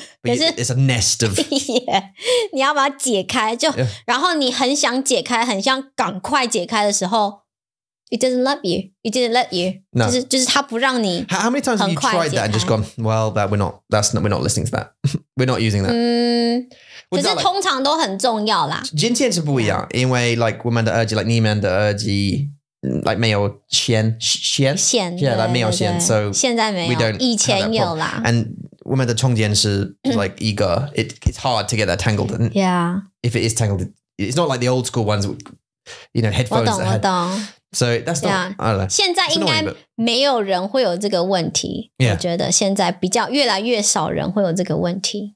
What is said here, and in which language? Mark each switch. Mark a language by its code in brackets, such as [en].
[en] But 可是, it's a nest of... [zh] Yeah. 你要把它解开, 就, yeah. 然后你很想解开, 很想赶快解开的时候, [en] it doesn't love you. It didn't let you. No. [zh] 就是它不让你... [en] How many times have you tried that and just gone, well, that we're not, that's not, we're not listening to that. We're not using that. [zh] 嗯, 可是通常都很重要啦。今天是不一样, 因为, like, 我们的耳机, like, 你们的耳机, like 没有线, 线, [en] yeah, like [zh] 没有线, [en] so [zh] 现在没有, [en] we don't [zh] 以前有啦。 [en] And [zh] 我们的空间是 like 一个 [en] it's hard to get that tangled in. Yeah. If it is tangled, it's not like the old school ones, you know, headphones. [zh] 我懂。 [en] So that's not, yeah. I don't know. [zh] 现在应该没有人会有这个问题。 [en] Yeah. [zh] 我觉得现在比较越来越少人会有这个问题。